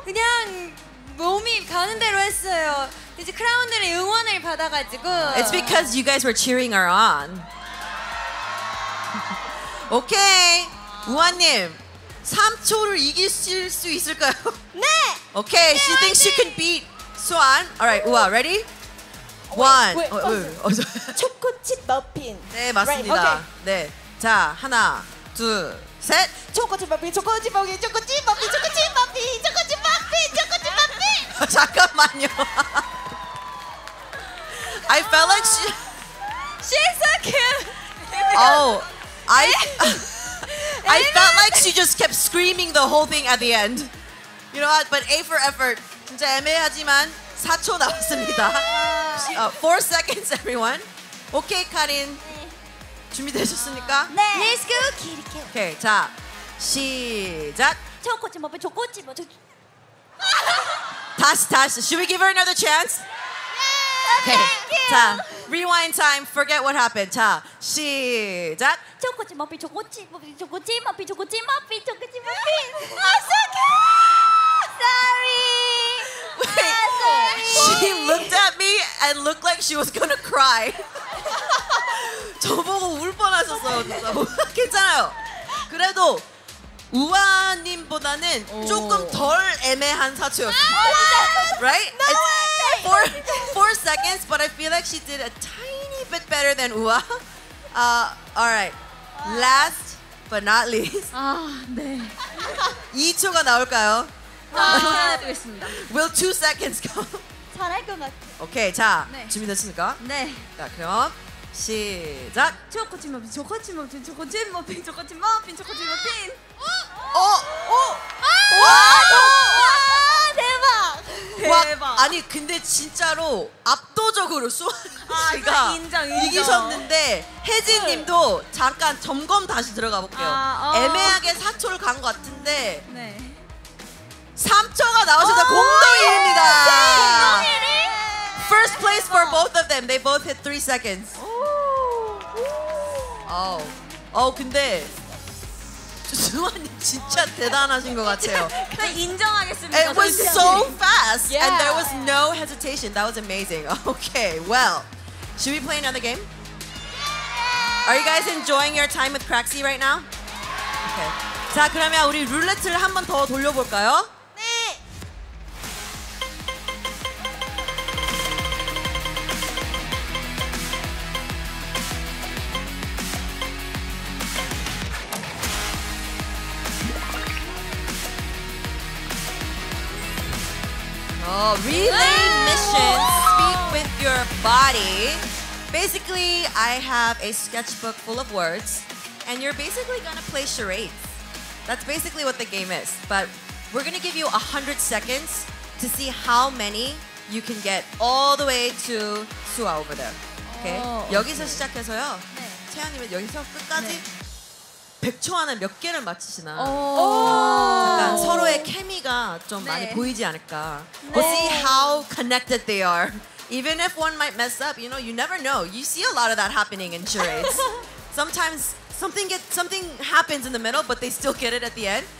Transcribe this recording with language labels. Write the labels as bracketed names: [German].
[Korean] 그냥 몸이 가는 대로 했어요. 이제 크라운들의 응원을 받아가지고. [English] It's because you guys were cheering her on. 오케이. [Korean] 우아님, 3초를 이길 수 있을까요? 네. [English] 오케이. Okay. 네, she thinks she can beat Swan. Alright, 우아, ready? One. [Korean] 초코칩 머핀. 네, 맞습니다. [English] Right. Okay. [Korean] 네, 자 하나, 둘, 셋. 초코칩 머핀, 초코칩 머핀, 초코칩 머핀, 초코칩 머핀, 초코칩 머핀, 초코칩 머핀. 잠깐만요. [English] I felt like she. She's so cute. Oh, I. I felt like she just kept screaming the whole thing at the end. You know what? But A for effort. [Korean] 진짜 애매하지만 4초 나왔습니다. [English] 4 seconds, everyone. Okay, Karin. [Korean] 준비되셨습니까? 네. [English] Let's go, kitty cat. [Korean] Okay, 자 시작. 초코칩 먹어, 초코칩 먹어. 다시, 다시. [English] Should we give her another chance? Yeah. Yeah. Okay. Thank you. 자, rewind time. Forget what happened. [Korean] 자, 시작. 초코칩 먹어, 초코칩 먹어, 초코칩 먹어, 초코칩 먹어, 초코칩 먹어. 아쉽게. [English] Sorry. She looked at me and looked like she was gonna cry. [Korean] 저보고 울 뻔하셨어요. 괜찮아요. 그래도 우아님보다는 조금 덜 애매한 사투였어요. [English] Right? No way! Four seconds, but I feel like she did a tiny bit better than 우아. Alright. Last but not least. [Korean] 아, 네. 2초가 나올까요? 기다리겠습니다. [English] Will 2 seconds go? [Korean] 잘할 것 같아. 오케이, 자, 네. 준비됐습니까? 네. 자, 그럼 시작! 초코칩 머핀, 초코칩 머핀, 초코칩 머핀, 초코칩 머핀, 초코칩 머핀! 어? 어? 아! 와! 와! 와! 대박! 대박! 와, 아니, 근데 진짜로 압도적으로 수아 씨가 아, 인정. 이기셨는데 혜진 님도 잠깐 점검 다시 들어가 볼게요. 아, 애매하게 4초를 간 것 같은데 네. 3초가 나오셔서 공동입니다. 네, [English] First place for both of them. They both hit 3 seconds. [Korean] 오. 오. 오, 근데 수아님 진짜 대단하신 것 같아요. 네, 인정하겠습니다. [English] It was so fast yeah. and there was no hesitation. That was amazing. Okay, well, should we play another game? Yeah. Are you guys enjoying your time with Craxy right now? Okay. [Korean] 자, 그러면 우리 룰렛을 한 번 더 돌려볼까요? [English] 어, relay mission, speak with your body. Basically, I have a sketchbook full of words, and you're basically gonna play charades. That's basically what the game is. But we're gonna give you 100 seconds to see how many you can get all the way to Sua over there. [Korean] Okay? 여기서 시작해서요. 네. 채연님은 여기서 끝까지 네. 100초 안에 몇 개를 맞추시나. 오. 약간 서로의 케미가 좀 네. 많이 보이지 않을까. 네. [English] We'll see how connected they are. Even if one might mess up, you know, you never know. You see a lot of that happening in charades. Sometimes something happens in the middle, but they still get it at the end.